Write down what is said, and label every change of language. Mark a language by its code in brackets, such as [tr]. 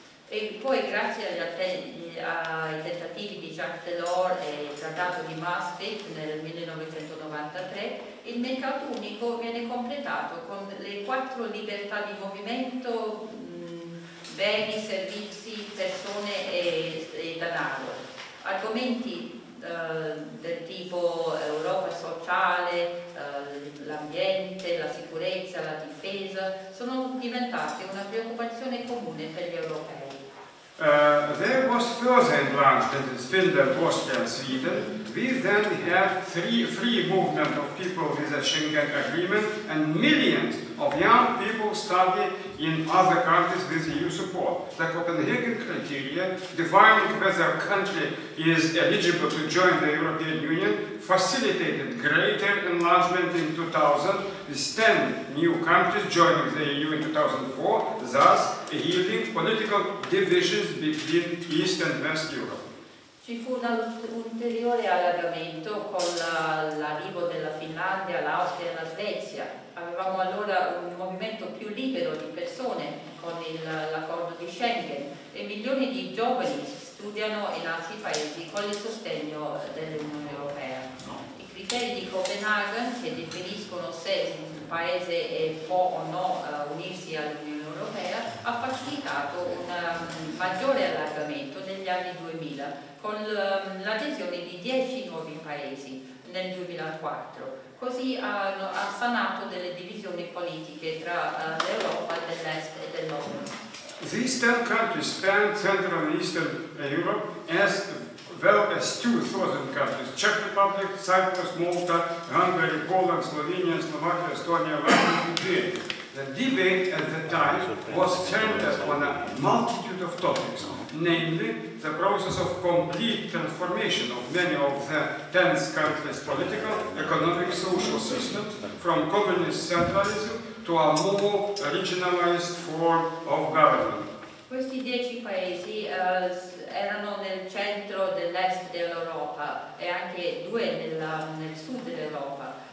[it] E poi grazie ai tentativi di Jacques Delors e il Trattato di Maastricht nel 1993, il mercato unico viene completato con le quattro libertà di movimento, beni, servizi, persone e denaro. Argomenti del tipo Europa sociale, l'ambiente, la sicurezza, la difesa, sono diventati una preoccupazione comune per gli europei. [en] There was further enlargement in Finland, Austria and Sweden, Greece, then we have free movement of people with a Schengen agreement, and millions of young people study in other countries with EU support. The Copenhagen criteria, defining whether a country is eligible to join the European Union, facilitated greater enlargement in 2000, with 10 new countries joining the EU in 2004, thus healing political divisions between East and West Europe. [it] Ci fu un ulteriore allargamento con l'arrivo della Finlandia, l'Austria e la Svezia. Avevamo allora un movimento più libero di persone con l'accordo di Schengen e milioni di giovani studiano in altri paesi con il sostegno dell'Unione Europea. I criteri di Copenaghen, che definiscono se un paese può o no unirsi all'Unione Europea, ha facilitato un maggiore allargamento negli anni 2000. Con l'adesione di 10 nuovi paesi nel 2004. Così ha sanato delle divisioni politiche tra l'Europa dell'Est e dell'Ovest. [en] These 10 countries span Central and Eastern Europe as well as 2,000 countries: Czech Republic, Cyprus, Malta, Hungary, Poland, Slovenia, Slovakia, Estonia, Latvia, and Hungary. The debate at the time was centered on a multitude of topics, namely the process of complete transformation of many of the 10 countries' political, economic, social systems from communist centralism to a more regionalized form of government. [it] Questi 10 paesi erano nel centro dell'est dell'Europa e anche due nel sud dell'Europa.